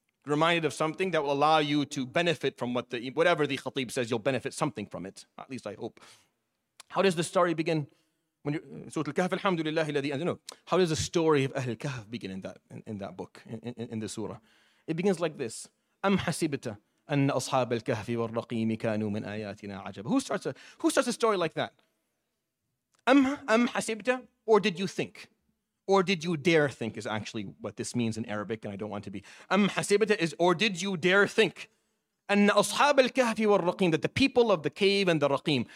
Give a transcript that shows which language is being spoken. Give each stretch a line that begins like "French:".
English: You're reminded of something that will allow you to benefit from whatever the khatib says, you'll benefit something from it. At least I hope. How does the story begin? Surah Al-Kahf, alhamdulillah, ladhi, and you know, how does the story of Ahl al-Kahf begin in that book, in the surah? It begins like this. Am hasibita.
Arabic: أن أصحاب الكهف والرقيم كانوا من آياتنا عجبا.
English: Who starts a story like that?
Arabic: أم حسبت?
English: Or did you think? Or did you dare think is actually what this means in Arabic, and I don't want to be.
Arabic: أم حسبت
English: is, or did you dare think?
Arabic: أن أصحاب الكهف والرقيم,
English: that the people of the cave and the raqim.